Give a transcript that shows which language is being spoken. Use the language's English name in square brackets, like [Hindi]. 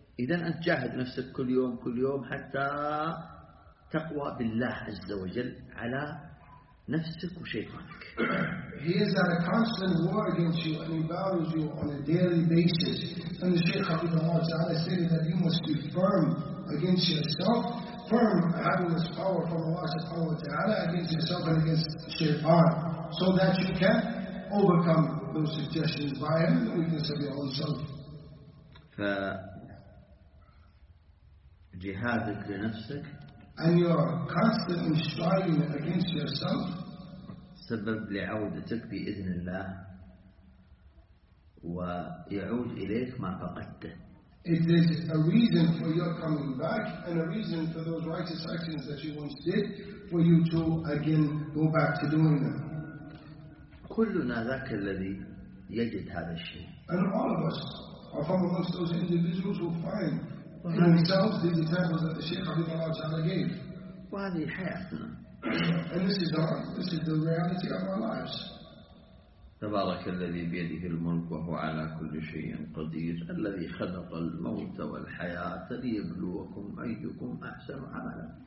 [Arabic] إذن أنت جاهد نفسك كل يوم كل يوم حتى تقوى بالله عز وجل على نفسك وشيطانك. [English] He is at a constant war against you and he battles you on a daily basis. And the Shaykh Habibullah said that you must be firm against yourself, firm having this power from Allah subhanahu wa ta'ala against yourself and against Shaytan, so that you can overcome those suggestions by him and the weakness of your own self. [Arabic] جهادك لنفسك [English] and you are constantly striving against yourself [Arabic] سبب لعودتك بإذن الله ويعود إليك ما فقدته. [English] It is a reason for your coming back and a reason for those righteous actions that you once did for you to again go back to doing them. [Arabic] كلنا ذاك الذي يجد هذا الشيء. [English] And all of us are from amongst those individuals who find themselves these examples that the Shaykh Habibullah Ta'ala gave. [Arabic] وهذه حياتنا. [English] And this is the reality of our lives. [Arabic] تبارك الذي بيده الملك وهو على كل شيء قدير الذي خلق الموت والحياة ليبلوكم أيكم أحسن عملا.